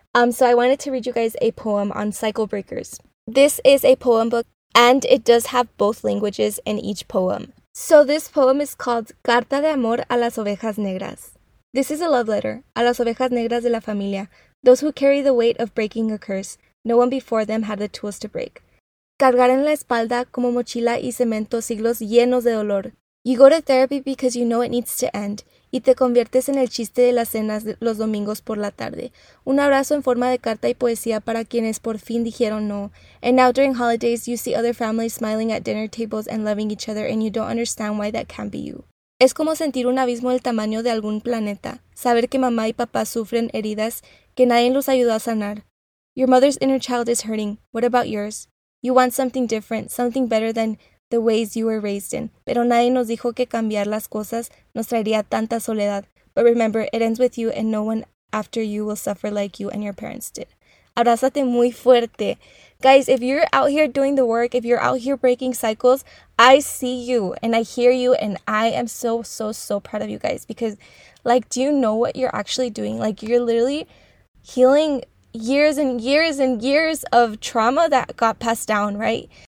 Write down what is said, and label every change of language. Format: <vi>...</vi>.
<en>So I wanted to read you guys a poem on cycle breakers. This is a poem book and it does have both languages in each poem. So this poem is called Carta de Amor a las Ovejas Negras. This is a love letter,</en> <es>a las ovejas negras de la familia,</es> <en>those who carry the weight of breaking a curse. No one before them had the tools to break.</en> <es>Cargar en la espalda como mochila y cemento siglos llenos de dolor.</es> <en>You go to therapy because you know it needs to end.</en> <es>Y te conviertes en el chiste de las cenas los domingos por la tarde. Un abrazo en forma de carta y poesía para quienes por fin dijeron no.</es> <en>And now during holidays, you see other families smiling at dinner tables and loving each other, and you don't understand why that can't be you.</en> <es>Es como sentir un abismo del tamaño de algún planeta. Saber que mamá y papá sufren heridas que nadie los ayudó a sanar.</es> <en>Your mother's inner child is hurting. What about yours? You want something different, something better than the ways you were raised in.</en> <es>Pero nadie nos dijo que cambiar las cosas nos traería tanta soledad.</es> <en>But remember, it ends with you and no one after you will suffer like you and your parents did.</en> <es>Abrázate muy fuerte.</es> <en>Guys, if you're out here doing the work, if you're out here breaking cycles, I see you and I hear you and I am so, so, so proud of you guys. Because, like, do you know what you're actually doing? Like, you're literally healing years and years and years of trauma that got passed down, right?</en>